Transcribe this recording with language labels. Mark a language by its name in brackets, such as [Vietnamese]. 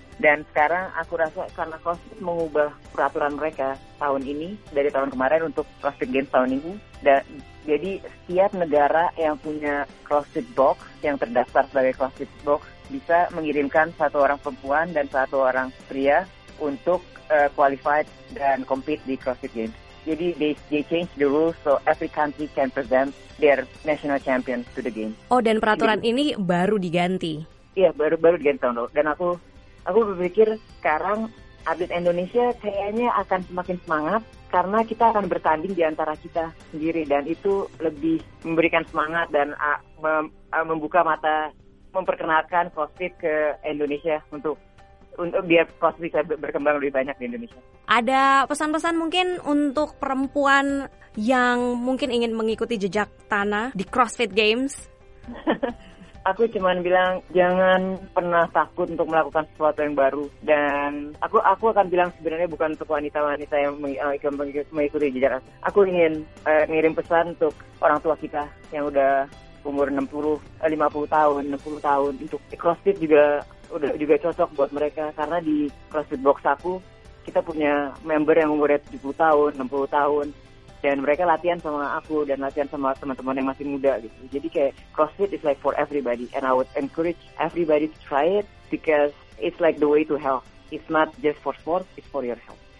[Indonesian] Dan sekarang aku rasa karena CrossFit mengubah peraturan mereka tahun ini dari tahun kemarin untuk CrossFit Games tahun ini, dan jadi setiap negara yang punya CrossFit Box, yang terdaftar sebagai CrossFit Box, bisa mengirimkan satu orang perempuan dan satu orang pria untuk qualified dan compete di CrossFit Games. [English] Jadi they change the rules so every country can present their national champion to the game. [Indonesian] Oh, dan peraturan ini baru diganti? Iya, baru diganti tahun lalu. Dan aku berpikir sekarang atlet Indonesia kayaknya akan semakin semangat karena kita akan bertanding di antara kita sendiri, dan itu lebih memberikan semangat dan membuka mata, memperkenalkan CrossFit ke Indonesia untuk biar CrossFit bisa berkembang lebih banyak di Indonesia. Ada pesan-pesan mungkin untuk perempuan yang mungkin ingin mengikuti jejak Tana di CrossFit Games? Aku cuma bilang jangan pernah takut untuk melakukan sesuatu yang baru. Dan aku akan bilang sebenarnya bukan untuk wanita-wanita yang mengikuti jejak. Aku ingin ngirim pesan untuk orang tua kita yang udah umur 60 tahun untuk CrossFit juga cocok buat mereka, karena di CrossFit Box aku kita punya member yang umurnya 70 tahun, 60 tahun, dan mereka latihan sama aku dan latihan sama teman-teman yang masih muda gitu. [English] Jadi kayak CrossFit is like for everybody, and I would encourage everybody to try it because it's like the way to health. It's not just for sport, it's for your health.